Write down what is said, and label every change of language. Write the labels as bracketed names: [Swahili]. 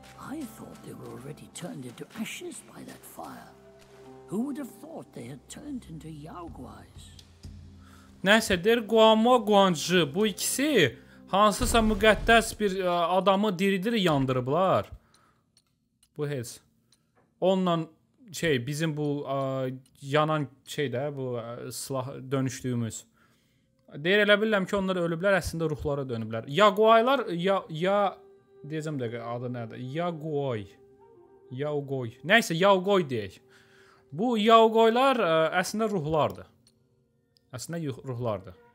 [English] I thought they were already turned into ashes by that fire. Who would have thought they had turned into yaoguais? [Azerbaijani] nəsədir, Guamua Guancı, bu ikisi hansısa müqəddəs bir adamı diridir yandırıblar. Bu heç. Onunla şey, bizim bu yanan şey də, bu silah dönüşdüyümüz. Deyir, elə bilirəm ki, onlar ölüblər, əslində ruhlara dönüblər. Yaguaylar, ya deyəcəm də adı nədir? Yaguay. Yaugoy. Nəysə, Yaugoy deyək. Bu Yaugoylar əslində ruhlardır. Əslində ruhlardır.